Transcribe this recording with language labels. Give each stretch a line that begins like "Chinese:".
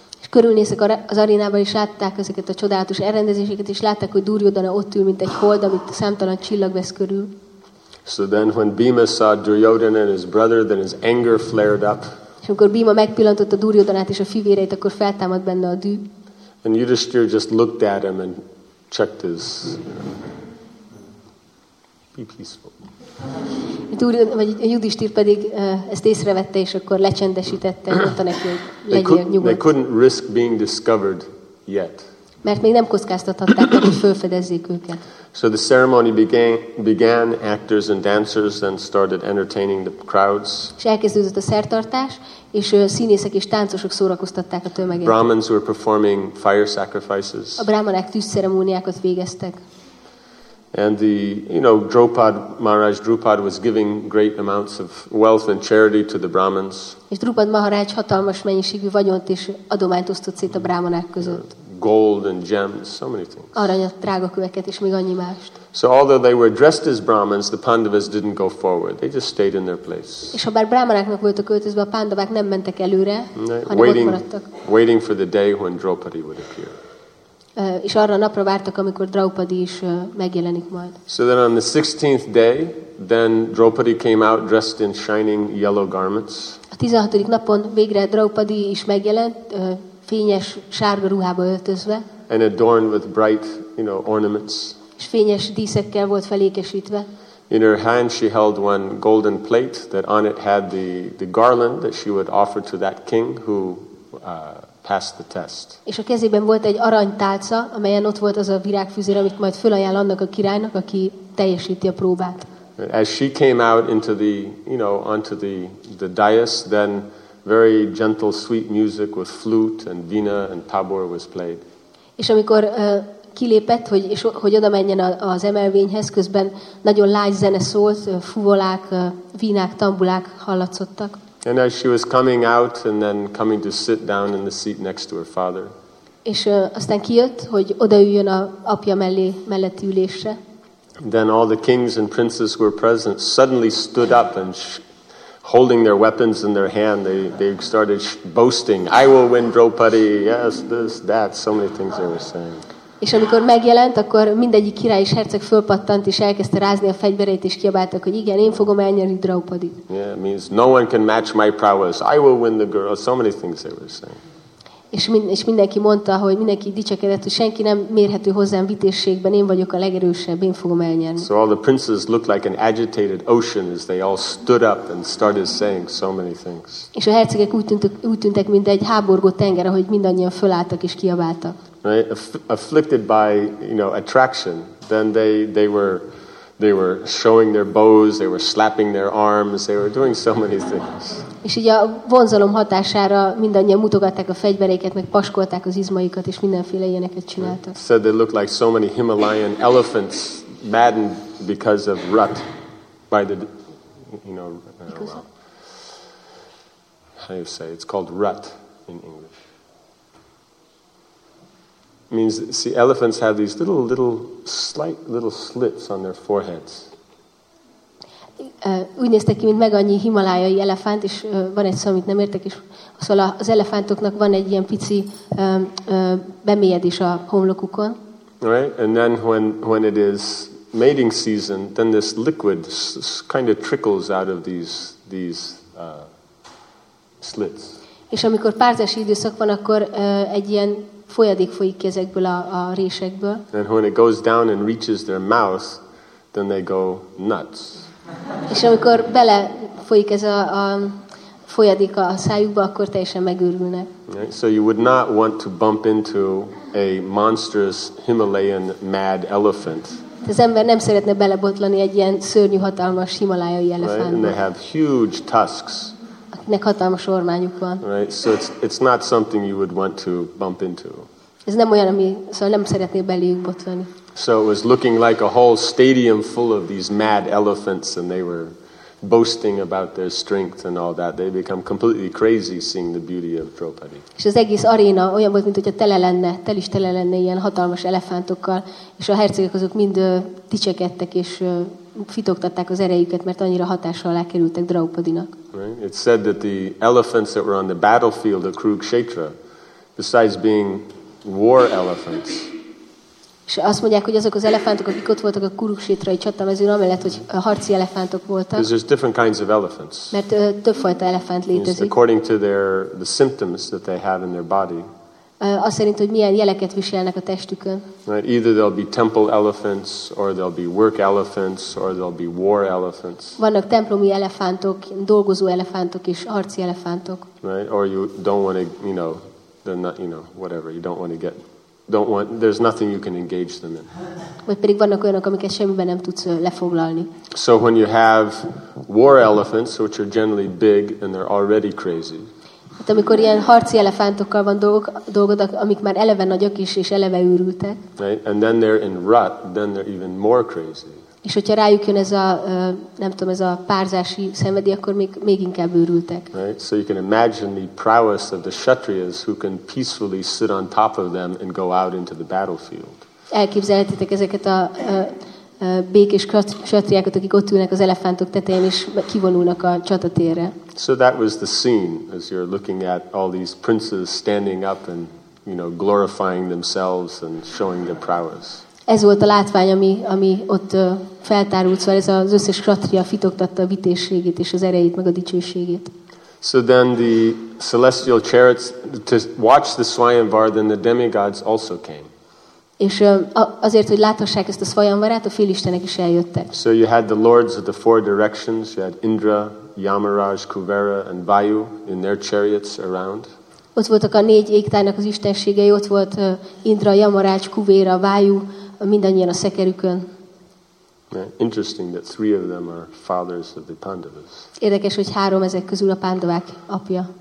Hungarian: És körülnéztek az arénában, és látták ezeket a csodálatos elrendezéseket, és látták, hogy Duryodhana ott ül, mint egy hold, amit számtalan csillag vesz körül.
English: So then when Bhima saw Duryodhana and his brother, then his anger flared up.
Hungarian: És amikor Bhima megpillantotta Duryodhanát és a fivéreit, akkor feltámadt benne a dű.
English: And Yudhisthira just looked at him and checked his... Be peaceful.
Hungarian: Yudhisthira pedig ezt észrevette, és akkor lecsendesítette, mondta neki, hogy legyél nyugodt.
English: They couldn't risk being discovered yet.
Hungarian: Mert még nem kockáztathatták, hogy felfedezzék őket.
English: So the ceremony began, actors and dancers then started entertaining the crowds.
Hungarian: És elkezdődött a szertartás, és színészek és táncosok szórakoztatták a tömeget.
English: Brahmins were performing fire sacrifices.
Hungarian: A brahmanák tűzszeremóniákat végeztek.
English: And the, you know, Maharaj Drupad was giving great amounts of wealth and charity to the Brahmins.
Hungarian: És Drupad Maharaj hatalmas mennyiségű vagyont és adományt osztott szét a brahmanák között.
English: Gold and gems, so many things.
Hungarian: Aranyat, drága köveket és még annyi mást.
English: So although they were dressed as Brahmins, the Pandavas didn't go forward. They just stayed in their place.
Hungarian: És ha bár brahmanáknak voltak öltözve, a pándavák nem mentek előre, hanem
English: waiting,
Hungarian: ott maradtak.
English: Waiting for the day when Draupadi would appear.
Hungarian: És arra a napra vártak, amikor Draupadi is megjelenik majd.
English: So then on the 16th day, then Draupadi came out dressed in shining yellow garments.
Hungarian: A 16. napon végre Draupadi is megjelent, fényes sárga ruhába öltözve.
English: And adorned with bright, you know, ornaments.
Hungarian: És fényes díszekkel volt felékesítve.
English: In her hand she held one golden plate that on it had the garland that she would offer to that king who passed the test.
Hungarian: És a kezében volt egy aranytálca, amelyen ott volt az a virágfüzér, amit majd fölajánl annak a királynak, aki teljesíti a próbát.
English: As she came out into the, you know, onto the dais, then very gentle, sweet music with flute and veena and tabor was played.
Hungarian: És amikor kilépett, hogy oda menjen az emelvényhez, közben nagyon lágy zene szólt, fuvolák, vínák, tambulák hallatszottak.
English: And as she was coming out and then coming to sit down in the seat next to her father.
Hungarian: És aztán kijött, hogy odaüljön a apja melletti ülésre.
English: Then all the kings and princes who were present suddenly stood up and holding their weapons in their hand, they started boasting, "I will win Draupadi, yes, this, that," so many things they were saying.
Hungarian: És amikor megjelent, akkor mindegyik király és herceg fölpattant, és elkezdte rázni a fegyvereit, és kiabáltak, hogy igen, én fogom elnyerni Draupadit.
English: Yeah, it means no one can match my prowess, I will win the girl, so many things they were saying.
Hungarian: És mindenki mondta, hogy mindenki dicsekedett, hogy senki nem mérhető hozzám vitézségben, én vagyok a legerősebb, én fogom elnyerni.
English: So all the princes looked like an agitated ocean as they all stood up and started saying so many things.
Hungarian: És a hercegek úgy tűntek, mint egy háborgó tenger, ahogy mindannyian fölálltak és kiabáltak.
English: Afflicted by, you know, attraction, then they were showing their bows, they were slapping their arms, they were doing so many things.
Hungarian: És így a vonzalom hatására mindannyian mutogatták a fegyvereiket, meg paskolták az izmaikat, és mindenféle ilyeneket csináltak.
English: So they looked like so many Himalayan elephants maddened because of rut by the, you know, how do you say, it's called rut in English. means, see, elephants have these slight little slits on their foreheads.
Hungarian: Úgy néztek ki, mint meg annyi himalájai elefánt, és van egy szó, amit nem értek, és szóval az elefántoknak van egy ilyen pici bemélyedés a homlokukon.
English: Right, and then when it is mating season, then this liquid kind of trickles out of these slits.
Hungarian: És amikor párzási időszak van, akkor egy ilyen folyadék folyik ki ezekből a résekből.
English: And when it goes down and reaches their mouth, then they go nuts.
Hungarian: És amikor belefolyik ez a folyadék a szájukba, akkor teljesen megőrülnek.
English: Right? So you would not want to bump into a monstrous Himalayan mad elephant.
Hungarian: Az ember nem szeretne belebotlani egy ilyen szörnyű hatalmas himalájai elefántba.
English: Right? And they have huge tusks.
Hungarian: Akinek hatalmas ormányuk van.
English: Right? So it's not something you would want to bump into.
Hungarian: Ez nem olyan, ami, szóval nem szeretnél beléjük botlani.
English: So it was looking like a whole stadium full of these mad elephants, and they were boasting about their strength and all that. They become completely crazy seeing the beauty of Draupadi.
Hungarian: És az egész aréna olyan volt, mint hogyha tele lenne ilyen hatalmas elefántokkal, és a hercegek azok mind dicsekedtek és fitoktatták az erejüket, mert annyira hatással alá kerültek Draupadinak.
English: Right? It's said that the elephants that were on the battlefield of Kurukshetra, besides being war elephants,
Hungarian: és azt mondják, hogy azok az elefántok, akik ott voltak a Kurukshetrai csatamezőn, amellett, hogy harci elefántok voltak.
English: There's different kinds of elephants.
Hungarian: Mert többfajta elefánt létezik.
English: According to the symptoms that they have in their body.
Hungarian: Azt szerint, hogy milyen jeleket viselnek a testükön.
English: Right, either they'll be temple elephants, or they'll be work elephants, or they'll be war elephants.
Hungarian: Vannak templomi elefántok, dolgozó elefántok és harci elefántok.
English: Right, or you don't want to, you know, they're not, you know, whatever, you don't want to get... Don't want. There's nothing you can engage them in.
Hungarian: Vagy pedig vannak olyanok, amiket semmiben nem tudsz lefoglalni.
English: So when you have war elephants, which are generally big and they're already crazy.
Hungarian: Hát amikor ilyen harci elefántokkal van dolgod, amik már eleve nagyok is és eleve őrültek.
English: Right? And then they're in rut, then they're even more crazy.
Hungarian: És hogyha rájuk jön ez a nem tudom, ez a párzási szenvedély, akkor még inkább őrültek.
English: Right? So you can imagine the prowess of the kshatriyas who can peacefully sit on top of them and go out into the battlefield.
Hungarian: Elképzelhetitek ezeket a békés kshatriyákat, akik ott ülnek az elefántok tetején és kivonulnak a csatatérre.
English: So that was the scene as you're looking at all these princes standing up and, you know, glorifying themselves and showing their prowess.
Hungarian: Ez volt a látvány, ami ott feltárult, szóval ez az összes kratria fitoktatta a vitézségét és az erejét, meg a dicsőségét.
English: So then the celestial chariots, to watch the Svayamvara, then the demigods also came.
Hungarian: És azért, hogy láthassák ezt a Svayamvarát, a félistenek is eljöttek.
English: So you had the lords of the four directions, you had Indra, Yamaraj, Kuvera and Vayu in their chariots around.
Hungarian: Ott voltak a négy égtájnak az istenségei, ott volt Indra, Yamaraj, Kuvera, Vayu, mindannyian a szekerükön.
English: Interesting that three of them are fathers of the Pandavas.
Hungarian: Érdekes, hogy három ezek közül a Pandavák apja.